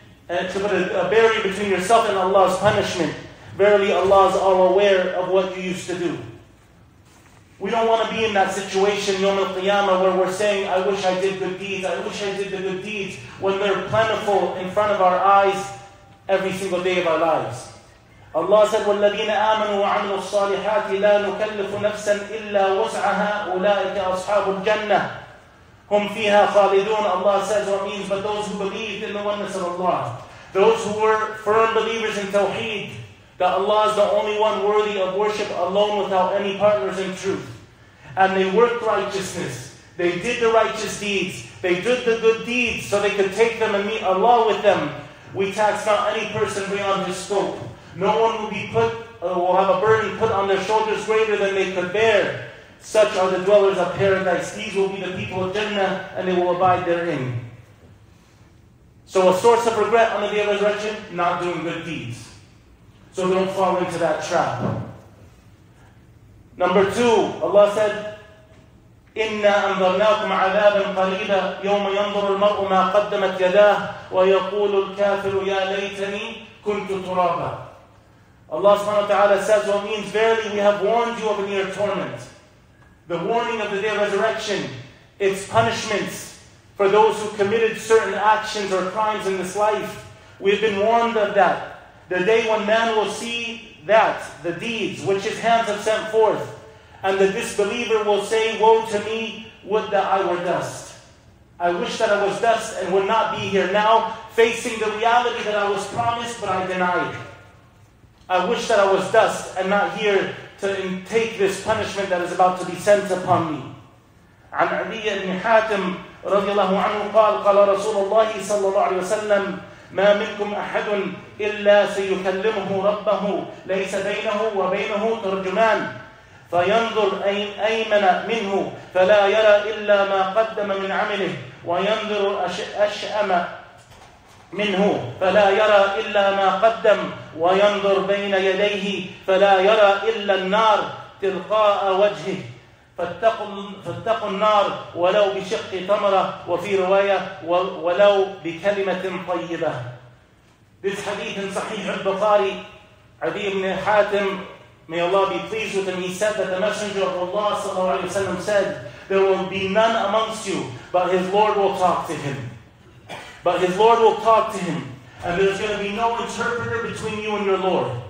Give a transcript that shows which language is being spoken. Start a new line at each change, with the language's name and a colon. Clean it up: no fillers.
English: and to put a barrier between yourself and Allah's punishment. Verily Allah is all aware of what you used to do. We don't want to be in that situation, yawm al-qiyamah, where we're saying, I wish I did good deeds, I wish I did the good deeds, when they're plentiful in front of our eyes every single day of our lives. Allah said,
Arabic: وَالَّذِينَ آمَنُوا وَعَمِلُوا الصَّالِحَاتِ لَا نُكَلِّفُ نَفْسًا إِلَّا وُسْعَهَا أُولَٰئِكَ أَصْحَابُ الْجَنَّةِ هُمْ فِيهَا خَالِدُونَ.
English: Allah says, what means, but those who believed in the oneness of Allah, those who were firm believers in Tawheed, that Allah is the only one worthy of worship alone without any partners in truth. And they worked righteousness. They did the righteous deeds. They did the good deeds so they could take them and meet Allah with them. We tax not any person beyond his scope. No one will be put, will have a burden put on their shoulders greater than they could bear. Such are the dwellers of paradise. These will be the people of Jannah and they will abide therein. So a source of regret on the day of resurrection, not doing good deeds. So don't fall into that trap. Number two, Allah said,
Arabic: إِنَّا أَنْظَرْنَاكُمْ عَذَابًا قَلِيلًا يَوْمَ يَنْظُرُ الْمَرْءُ مَا قَدَّمَتْ يَدَاهُ وَيَقُولُ الْكَافِرُ يَا لَيْتَنِي كُنْتُ تُرَابًا.
English: Allah subhanahu wa ta'ala says, what means, verily we have warned you of a near torment. The warning of the day of resurrection, its punishments for those who committed certain actions or crimes in this life. We've been warned of that. The day when man will see that, the deeds which his hands have sent forth, and the disbeliever will say, woe to me, would that I were dust. I wish that I was dust and would not be here now, facing the reality that I was promised but I denied. I wish that I was dust and not here to take this punishment that is about to be sent upon me.
Arabic: عن عدي بن حاتم رضي الله عنه قال قال رسول الله صلى الله عليه وسلم ما منكم أحد إلا سيكلمه ربه ليس بينه وبينه ترجمان فينظر أيمن منه فلا يرى إلا ما قدم من عمله وينظر أشأم منه فلا يرى إلا ما قدم وينظر بين يديه فلا يرى إلا النار تلقاء وجهه فاتقوا النار ولو بشق تمرة وفي رواية ولو بكلمة طيبة.
English: This hadith in Sahih al-Bukhari, Adi ibn Hatim, may Allah be pleased with him, he said that the Messenger of Allah sallallahu alayhi wa sallam said, there will be none amongst you, but his Lord will talk to him. But his Lord will talk to him. And there's going to be no interpreter between you and your Lord.